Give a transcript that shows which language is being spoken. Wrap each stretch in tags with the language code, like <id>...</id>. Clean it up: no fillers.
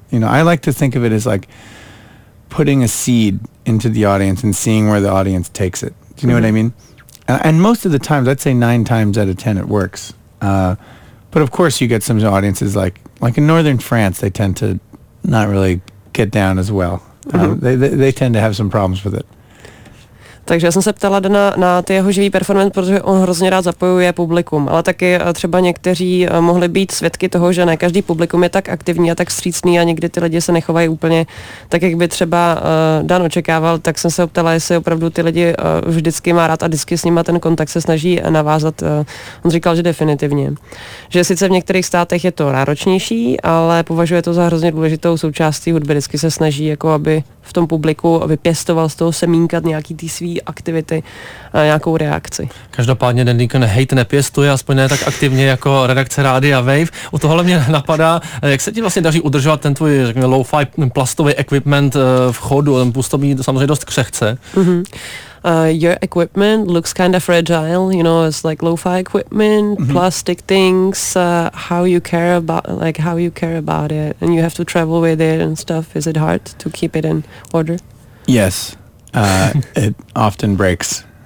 <en>You know, I like to think of it as like putting a seed into the audience and seeing where the audience takes it. Do you know what I mean? And most of the times, I'd say 9 times out of 10, it works. But of course, you get some audiences like in northern France, they tend to not really get down as well. They tend to have some problems with it.</en> <cs>Takže já jsem se ptala Dana na ty jeho živý performance, protože on hrozně rád zapojuje publikum, ale taky třeba někteří mohli být svědky toho, že ne každý publikum je tak aktivní a tak vstřícný a někdy ty lidi se nechovají úplně tak, jak by třeba Dan očekával, tak jsem se ptala, jestli opravdu ty lidi vždycky má rád a vždycky s nima ten kontakt se snaží navázat. On říkal, že definitivně. Že sice v některých státech je to náročnější, ale považuje to za hrozně důležitou součástí hudby, vždycky se snaží, jako aby v tom publiku vypěstoval z toho semínka nějaký ty svý aktivity a nějakou reakci. Každopádně Dan Deacon hate nepěstuje, aspoň ne tak aktivně jako redakce Rádia Wave. U tohohle mě napadá, jak se ti vlastně daří udržovat ten tvůj, řekněme, low-fi plastový equipment v chodu, ten působí samozřejmě dost křehce.</cs> <en>Your equipment looks kind of fragile, you know, it's like lo-fi equipment, plastic things, how you care about it, and you have to travel with it and stuff. Is it hard to keep it in order? Yes, it often breaks.</en>